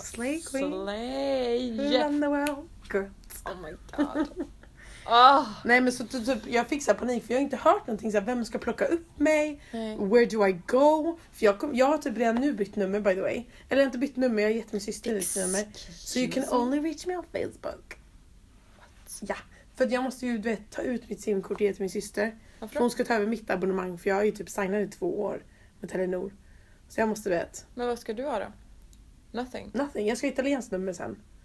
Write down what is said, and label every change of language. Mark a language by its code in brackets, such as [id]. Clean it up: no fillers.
[en] slay queen. Slay. Run the world. Good. Oh my god. Oh. [sv] Nej, men så typ, jag fick så här panik. För jag har inte hört någonting. Så här, vem ska plocka upp mig? Nej. [en] Where do I go? [sv] För jag har typ redan nu bytt nummer, [en] by the way. [sv] Eller inte bytt nummer, jag har gett min syster ett nummer. [en] So you can only reach me on Facebook. What? [sv] Ja. För jag måste ju, du vet, ta ut mitt simkort till min syster. Varför? Hon ska ta över mitt abonnemang. För jag har ju typ signat i 2 år med Telenor. Så jag måste veta. Men vad ska du ha då? Nothing? [en] Nothing. [sv] Jag ska hitta Lens nummer sen.